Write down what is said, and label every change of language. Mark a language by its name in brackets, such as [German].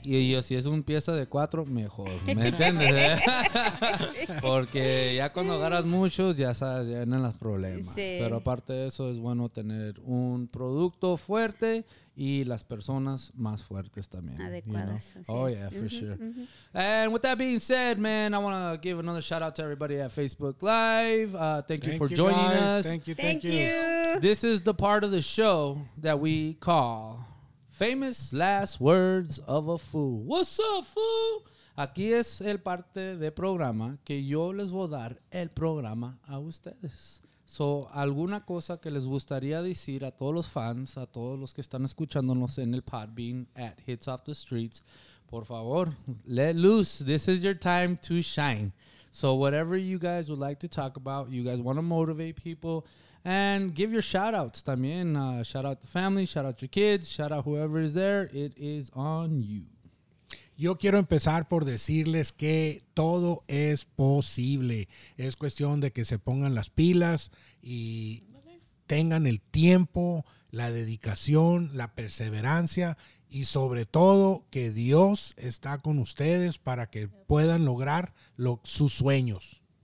[Spanish] Sí, y si es un pieza de cuatro, mejor, ¿me entiendes? ¿Eh? Porque ya cuando agarras muchos, ya sabes, ya vienen los problemas. Sí. Pero aparte de eso, es bueno tener un producto fuerte y las personas más fuertes también. Adecuadas. You [English] know? Oh, yeah, for sure. And with that being said, man, I want to give another shout out to everybody at Facebook Live. Thank you for joining us. Thank you. This is the part of the show that we call Famous Last Words of a Fool. What's up, fool? [Spanish] Aquí es el parte del programa que yo les voy a dar el programa a ustedes. So, alguna cosa que les gustaría decir a todos los fans, a todos los que están escuchándonos en el Podbean at Hits Off the Streets, por favor, [English] let loose. This is your time to shine. So, whatever you guys would like to talk about, you guys want to motivate people and give your shout outs también. Shout out the family, shout out your kids, shout out whoever is there. It is on you. [Spanish] Yo quiero empezar por decirles que todo es posible. Es cuestión de que se pongan las pilas y tengan el tiempo, la dedicación, la perseverancia y sobre todo que Dios está con ustedes para que puedan lograr sus sueños.